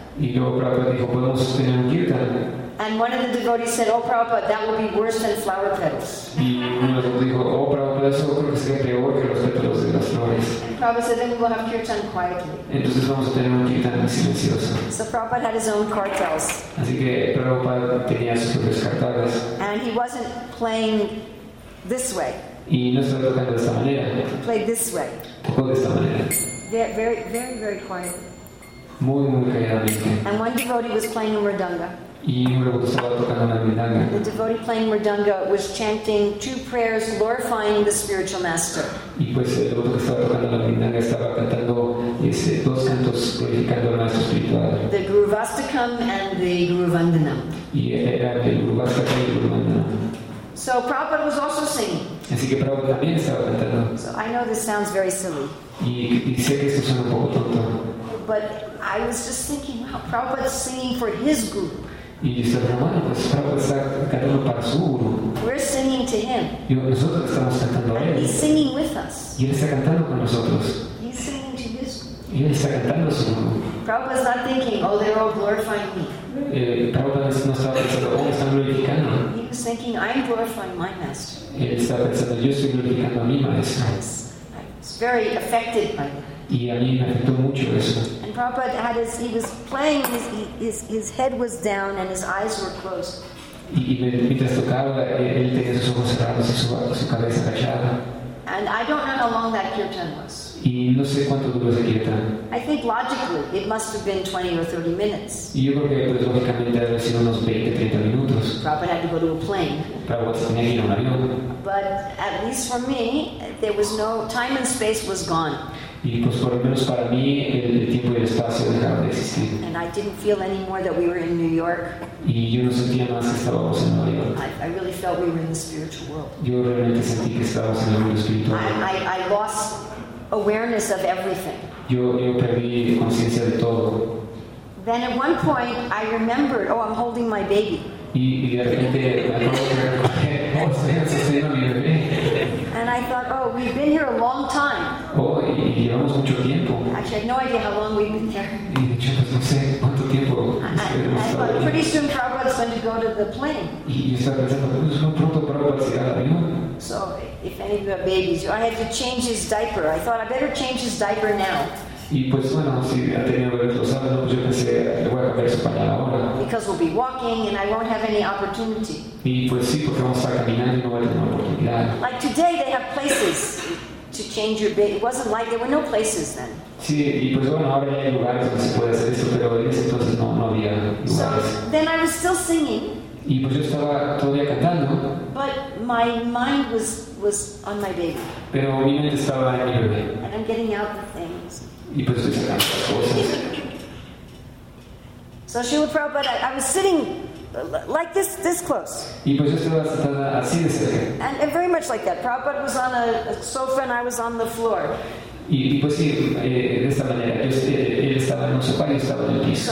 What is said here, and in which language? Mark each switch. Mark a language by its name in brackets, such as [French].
[Spanish] Y luego Prabhupada dijo, ¿podemos tener un kirtan? [English] And one of the devotees said, oh Prabhupada, that would be worse than flower petals. [Spanish] Y uno de los dijo, oh Prabhupada, eso creo que sería peor que los pétalos de las flores. [English] And Prabhupada said, then we will have kirtan quietly. [Spanish] Entonces vamos a tener un kirtan silencioso. [English] So Prabhupada had his own cartels. [Spanish] Así que Prabhupada tenía sus propias cartelas. [English] And he wasn't playing this way. [Spanish] Y no estaba tocando de esta manera. [English] Play this way. [Spanish] Tocó de esta manera. [English] They're very, very, very quiet. [Spanish] Muy, muy calladamente. [English] And one devotee was playing a mridanga. [Spanish] Y un devoto estaba tocando una mridanga. [English] The devotee playing mridanga was chanting two prayers glorifying the spiritual master. [Spanish] Y pues el devoto que estaba tocando la mridanga estaba cantando dos cantos glorificando al maestro espiritual. [English] The Guruvastakam and the Guruvandanam. [Spanish] Y era el Guruvastakam y el Guruvandanam. [English] So Prabhupada was also singing. [Spanish] Así que Prabhupada también estaba cantando. [English] So I know this sounds very silly. [Spanish] Y sé que esto suena un poco tonto. [English] But I was just thinking, wow, Prabhupada is singing for his group. [Spanish] Y yo estaba pensando, pues Prabhupada está cantando para su guru. [English] We're singing to him. [Spanish] Y nosotros estamos cantando [English] and [Spanish] a él. [English] He's singing with us. [Spanish] Y él está cantando con nosotros. [English] He's singing to his group. [Spanish] Y él está cantando a su guru. [English] Prabhupada is not thinking, oh, they're all glorifying me. [Spanish] Prabhupada no estaba pensando, oh, están glorificando. [English] He was thinking, I'm glorifying my master. [Spanish] Y él estaba pensando, yo estoy glorificando a mi maestro. [English] I was very affected by that. [Spanish] Y a mí me afectó mucho eso. [English] And Prabhupada had he was playing, his head was down and his eyes were closed. [Spanish] Y mientras tocaba, él tenía sus ojos cerrados y su cabeza agachada. [English] And I don't know how long that kirtan was. [Spanish] Y no sé cuánto duró ese kirtan. [English] I think logically it must have been 20 or 30 minutes. [Spanish] Y yo creo que pues, lógicamente debe haber sido unos 20, 30 minutos. [English] Prabhupada had to go to a plane. [Spanish] Prabhupada tenía que ir a un avión. [English] But at least for me, there was no time and space was gone. [Spanish] Y pues por lo menos para mí el tiempo y el espacio dejaron de existir. [English] And I didn't feel anymore that we were in New York. [Spanish] Y yo no sentía más que estábamos en Nueva York. [English] I really felt we were in the spiritual world. [Spanish] Yo realmente sentí que estábamos en el mundo espiritual. [English] I lost awareness of everything. [Spanish] Yo perdí conciencia de todo. [English] Then at one point I remembered, oh, I'm holding my baby. [Spanish] Y de repente me acuerdo que oh, estoy sosteniendo a mi bebé. [English] And I thought, oh, we've been here a long time. [Spanish] Oh, y llevamos mucho tiempo. [English] Actually, I had no idea how long we've been here. [Spanish] Y de hecho, pues no sé cuánto tiempo. [English] I thought, pretty soon Prabhupada's going to go to the plane. [Spanish] Y estaba pensando, pues no pronto Prabhupada se va al avión. [English] So, if any of you have babies, I had to change his diaper. I thought, I better change his diaper now. [Spanish] Y pues bueno, si ha tenido bebés los sábados, pues yo pensé, le voy a cambiar su pañal ahora. [English] Because we'll be walking and I won't have any opportunity. [Spanish] Y pues sí, porque vamos a estar caminando y no voy a tener oportunidad. [English] Like today they have places to change your baby. It wasn't like there were no places then. [Spanish] Sí, y pues bueno, ahora ya hay lugares donde se puede hacer eso, pero en ese entonces no había lugares. [English] So, then I was still singing. [Spanish] Y pues yo estaba todavía cantando. [English] But my mind was on my baby. [Spanish] Pero mi mente estaba en mi bebé. [English] And I'm getting out the things. [Spanish] Y pues estoy sacando las cosas. [English] So Srila Prabhupada, I was sitting like this close. [Spanish] Y pues yo estaba sentada así de cerca. [English] And very much like that. Prabhupada was on a sofa and I was on the floor. [Spanish] Y pues sí, de esta manera. Él estaba en un sofá y yo estaba en el piso.